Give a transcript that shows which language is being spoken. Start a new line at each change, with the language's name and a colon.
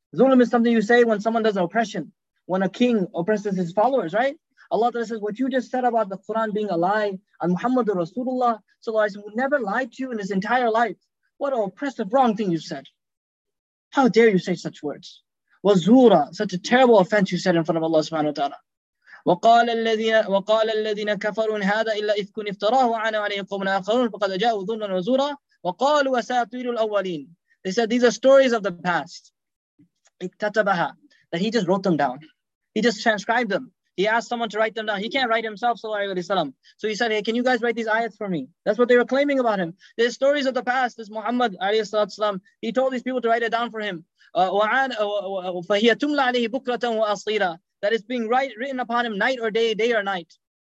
English: Zulm is something you say when someone does an oppression. When a king oppresses his followers, right? Allah Ta'ala says, what you just said about the Quran being a lie, and Muhammad Rasulullah sallallahu alayhi wa sallam never lied to you in his entire life. What an oppressive wrong thing you said. How dare you say such words? Wazura, such a terrible offense you said in front of Allah subhanahu wa ta'ala.
Arabic: وَقَالَ الَّذِينَ كَفَرُونَ هَذَا إِلَّا إِفْكُنْ إِفْتَرَاهُ وَعَنَا عَلَيْهِ قَوْمٌ آخَرُونَ فَقَدْ جَاءُوا ظُلْمًا وَزُورًا وَقَالُوا وَسَاطِيرُ الْأَوَّلِينَ
English: They said, these are stories of the past.
Arabic: اِكْتَتَبَهَا
English: That he just wrote them down. He just transcribed them. He asked someone to write them down. He can't write himself, sallallahu alayhi wa sallam. So he said, hey, can you guys write these ayats for me? That's what they were claiming about him. There's stories of the past. This Muhammad, alayhi salatu wasalam, he told these people to write it down for him.
Arabic: فَهِيَ تُمْلَ عَلَيْهِ بُكْرَةً وَأَصِيرًا
English: That it's being written upon him night or day or night.